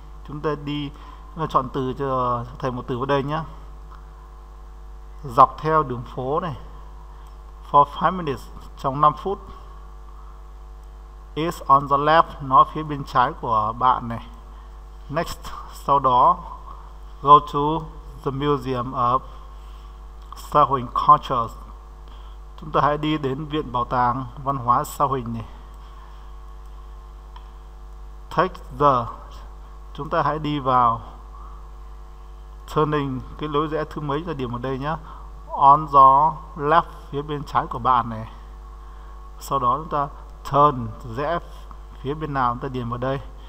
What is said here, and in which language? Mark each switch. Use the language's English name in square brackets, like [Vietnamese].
[Vietnamese] Chúng ta chọn từ cho thầy một từ vào đây nhé. Dọc theo đường phố này. [English] For 5 minutes, [Vietnamese] trong 5 phút. [English] It's on the left, [Vietnamese] nó phía bên trái của bạn này. [English] Next, [Vietnamese] sau đó. [English] Go to the Museum of Sa Huỳnh Culture. [Vietnamese] Chúng ta hãy đi đến Viện Bảo tàng Văn hóa Sa Huỳnh này. [English] Take the, [Vietnamese] chúng ta hãy đi vào turning, cái lối rẽ thứ mấy là điểm ở đây nhé. [English] On the left, [Vietnamese] phía bên trái của bạn này. Sau đó chúng ta turn, rẽ phía bên nào, chúng ta điểm ở đây.